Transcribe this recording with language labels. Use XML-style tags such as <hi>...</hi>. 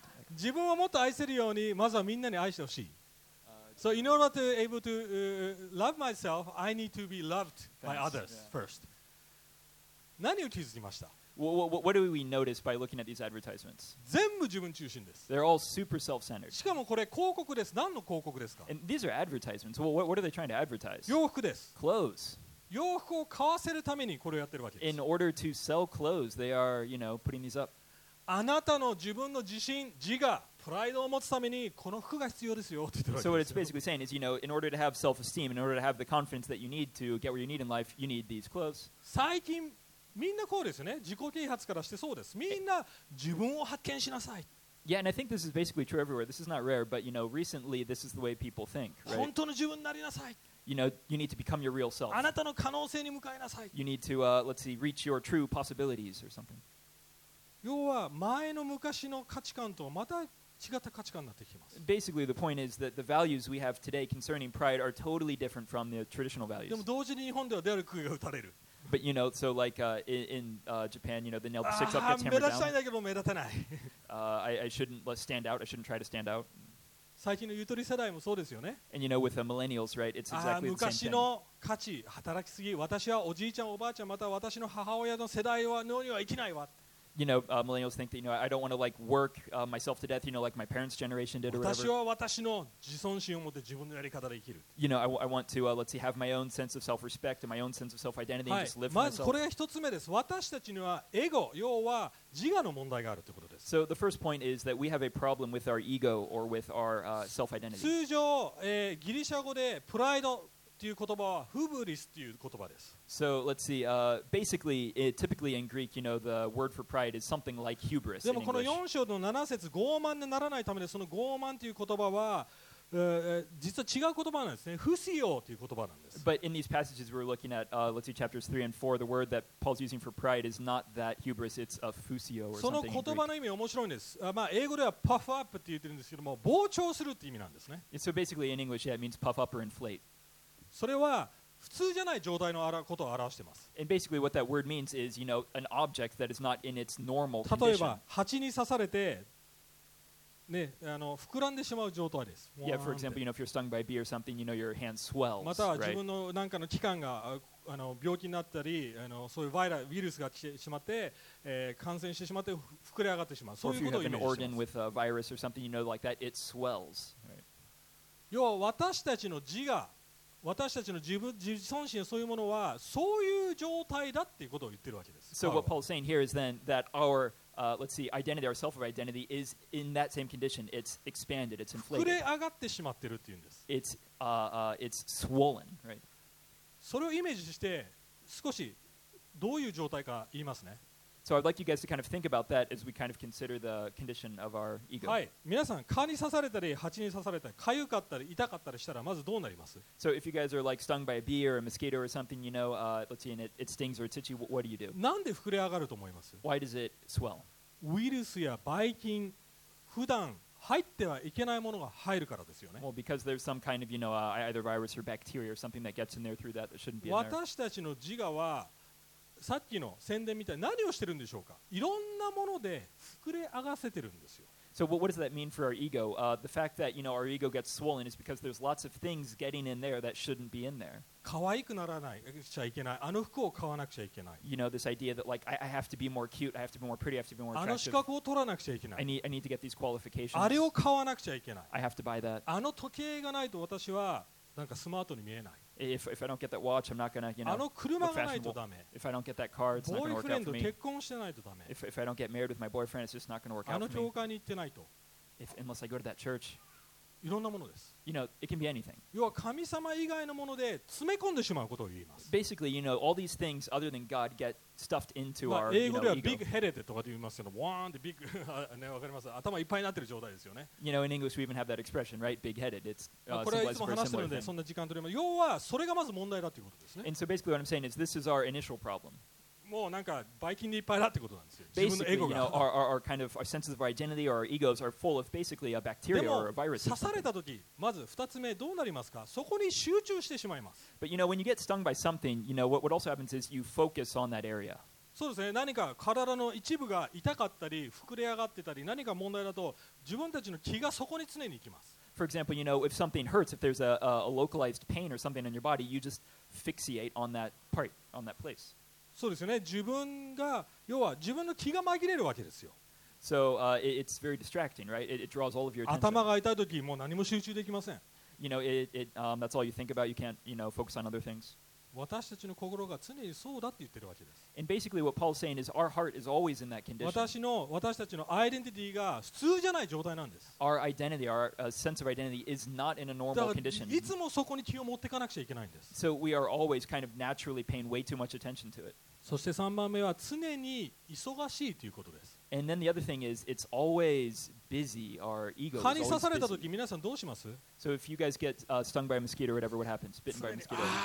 <ja>自分をもっと愛せるようにまずはみんなに愛してほしい。</ja> <en>So in order to able to love myself, I need to be loved by others first.</en> <ja>何を気づきました？</ja> <en>What do we notice by looking at these advertisements?</en> <ja>全部自分中心です。</ja> <en>They're all super self-centered.</en> <ja>しかもこれ広告です。何の広告ですか？</ja> <en>And these are advertisements. Well, what are they trying to advertise?</en> <ja>洋服です。</ja> <en>Clothes.</en> <ja>洋服を買わせるためにこれをやってるわけです。</ja> <en>In order to sell clothes, they are, you know, putting these up.</en> <ja>あなたの自分の自信、自我、プライドを持つためにこの服が必要ですよって言ってるわけですよ。</ja> <en>So what it's basically saying is, you know, in order to have self-esteem, in order to have the confidence that you need to get where you need in life, you need these clothes.</en> <ja>最近みんなこうですよね。自己啓発からしてそうです。みんな自分を発見しなさい。</ja> <en>Yeah, and I think this is basically true everywhere. This is not rare, but you know, recently this is the way people think, right?</en> <ja>本当の自分になりなさい。</ja> <en>You know, you need to become your real self.</en> <ja>あなたの可能性に向かいなさい。</ja> <en>You need to, let's see, reach your true possibilities or something.</en> <ja>要は前の昔の価値観とまた違った価値観になってきます。</ja> <en>Basically, the point is that the values we have today concerning pride are totally different from the traditional values.</en> <ja>でも同時に日本では出る杭が打たれる。</ja> <en>But you know, so like in Japan, you know, the nail the six up gets hammered down.</en> <ja>目立たないけど目立たない。</ja> <en>I shouldn't stand out. I shouldn't try to stand out.</en> <ja>最近のゆとり世代もそうですよね。</ja> <en>And you know, with the millennials, right? It's exactly the same thing.</en> <ja>昔の価値、働きすぎ。私はおじいちゃん、おばあちゃん、または私の母親の世代はのには生きないわ。</ja> <en>You know, millennials think that, you know, I don't want to like work myself to death, you know, like my parents' generation did or whatever.</en> <ja>私は私の自尊心を持って自分のやり方で生きる。</ja> <en>You know, I want to, let's see, have my own sense of self-respect and my own sense of self-identity and just live for myself.</en> <ja>まずこれが一つ目です。私たちにはエゴ、要は自我の問題があるということです。</ja> <en>So the first point is that we have a problem with our ego or with our self-identity.</en> <ja>通常、ギリシャ語でプライドという言葉はフブリスという言葉です。</ja> <en>So let's see. Basically, typically in Greek, you know, the word for pride is something like hubris.</en> <ja>でもこの4章の7節、傲慢にならないためでその傲慢という言葉は実は違う言葉なんですね。不思議という言葉なんです。</ja> <en>But in these passages we're looking at, let's see, chapters 3 and 4, the word that Paul's using for pride is not that hubris, it's a fusio or something.</en> <ja>その言葉の意味面白いんです。まあ英語では puff up って言ってるんですけども、膨張するって意味なんですね。</ja> <en>And so basically in English, yeah, it means puff up or inflate.</en> <ja>それは普通じゃない状態のことを表しています。</ja> <en>And basically what that word means is, you know, an object that is not in its normal condition.</en> <ja>例えば蜂に刺されて、ね、膨らんでしまう状態です。</ja> <en>Yeah, for example, you know, if you're stung by a bee or something, you know, your hand swells.</en> <ja>または自分のなんかの器官が病気になったり、そういうウイルスが来てしまって、感染してしまって膨れ上がってしまう。そういうことを意味します。</ja> <en>Or if you have an organ with a virus or something, you know, like that, it swells.</en> <ja>要は私たちの自我私たちの自尊心そういうものはそういう状態だっていうことを言ってるわけです。</ja> <en>So what Paul's saying here is then that our, let's see, identity, our self-identity is in that same condition. It's expanded, it's inflated.</en> <ja>膨れ上がってしまってるっていうんです。</ja> <en>It's swollen, right?</en> <ja>それをイメージして少しどういう状態か言いますね。</ja> <en>So I'd like you guys to kind of think about that as we kind of consider the condition of our ego.</en> <ja>はい、皆さん蚊に刺されたり蜂に刺されたり痒かったり痛かったりしたらまずどうなります？</ja> <en>So if you guys are like stung by a bee or a mosquito or something, you know, let's see, and it stings or it's itchy, what do you do?</en> <ja>なんで膨れ上がると思います？</ja> <en>Why does it swell?</en> <ja>ウイルスやバイ菌、普段入ってはいけないものが入るからですよね。</ja> <en>Well, because there's some kind of, you know, either virus or bacteria or something that gets in there through that shouldn't be in there.</en> <ja>私たちの自我はさっきの宣伝みたいな何をしてるんでしょうか。いろんなもので膨れ上がせてるんですよ。</ja> <en>So what does that mean for our ego? The fact that, you know, our ego gets swollen is because there's lots of things getting in there that shouldn't be in there.</en> <ja>可愛くならないちゃいけない。あの服を買わなくちゃいけない。</ja> <en>You know, this idea that like I have to be more cute, I have to be more pretty, I have to be more attractive.</en> <ja>あの資格を取らなくちゃいけない。</ja> <en>I need to get these qualifications.</en> <ja>あれを買わなくちゃいけない。</ja> <en>I have to buy that.</en> <ja>あの時計がないと私はなんかスマートに見えない。</ja> <en>If I don't get that watch, I'm not gonna, you know, look fashionable. If I don't get that car, it's not gonna work out for me.</en> <ja>結婚してないとダメ。</ja> <en>If I don't get married with my boyfriend, it's just not gonna work out for me.</en> <ja>教会に行ってないと。</ja> <en>Unless I go to that church.</en> <ja>いろんなものです。</ja> <en>You know, it can be anything.</en> <ja>要は神様以外のもので詰め込んでしまうことを言います。</ja> <en>Basically, you know, all these things other than God get stuffed into our, you know, ego.</en> <ja>英語ではビッグヘッドとかと言いますけど、ワーンってビッグ、ね、わかります。頭いっぱいになってる状態ですよね。</ja> <en>You know, in English we even have that expression, right? Big headed. It's</en> <ja>これはいつも話してるんで、そんな時間取れます。要はそれがまず問題だということですね。</ja> <en>And so basically what I'm saying is this is our initial problem.</en> <ja>もうなんかバイキンでいっぱいだってことなんですよ。</ja> <en>Basically,</en> <ja>自分のエゴが。</ja> <en>You know, our kind of our senses of identity or our egos are full of basically a bacteria or a virus.</en> <ja>でも刺された時、まず二つ目どうなりますか？そこに集中してしまいます。</ja> <en>But you know, when you get stung by something, you know, what also happens is you focus on that area.</en> <ja>そうですね。何か体の一部が痛かったり膨れ上がってたり何か問題だと自分たちの気がそこに常に行きます。</ja> <en>For example, you know, if something hurts, if there's a localized pain or something in your body, you just fixate on that part, on that place.</en> <ja>そうですよね。自分が要は自分の気が紛れるわけですよ。</ja> <en>So, it's very distracting, right? It draws all of your attention.</en> <ja>頭が痛いときもう何も集中できません。</ja> <en>You know, it that's all you think about. You can't, you know, focus on other things.</en> <ja>私たちの心が常にそうだって言ってるわけです。</ja> <en>And basically, what Paul's saying is our heart is always in that condition.</en> <ja>私たちのアイデンティティが普通じゃない状態なんです。</ja> <en>Our identity, our sense of identity is not in a normal condition.</en> <ja>いつもそこに気を持っていかなくちゃいけないんです。</ja> <en>So we are always kind of naturally paying way too much attention to it.</en> <ja>そして3番目は常に忙しいということです。</ja> <en>And then the other thing is, it's always busy. Our ego is always busy. So if you guys get stung by a mosquito or whatever, what happens? Bitten by a mosquito.</en>